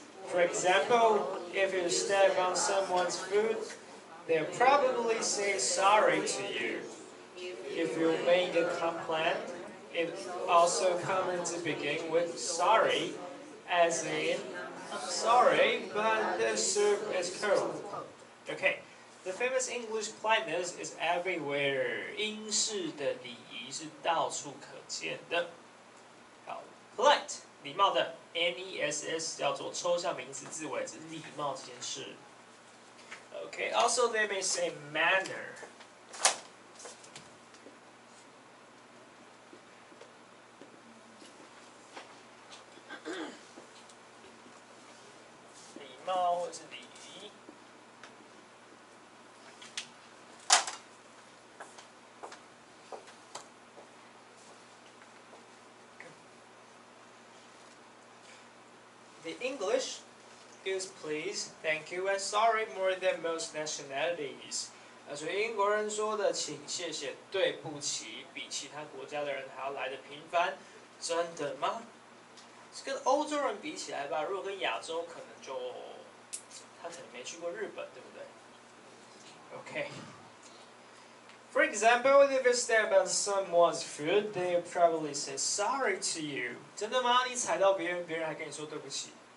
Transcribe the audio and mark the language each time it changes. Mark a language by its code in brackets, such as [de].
[en] For example, if you step on someone's foot, they'll probably say sorry to you. If you make a complaint, it's also common to begin with sorry, as in, sorry, but the soup is cold. Okay, the famous English politeness is everywhere. [zh] 英式的礼仪是到处可见的。 [en] 好 polite. [zh] 礼貌的 ，NESS 叫做抽象名词字尾，指礼貌这件事。 [en] Okay, also they may say manner. [zh] 那或者是你。 [en] The English use please, thank you, and sorry more than most nationalities. [zh] 所以英国人说的请谢谢对不起比起他国家的人还要来得频繁，真的吗？跟欧洲人比起来吧，如果跟亚洲可能就他可能没去过日本，对不对 ？Okay. [en] For example, if you step on someone's foot, they probably say sorry to you. [zh] 真的吗？你踩到别人，别人还跟你说对不起？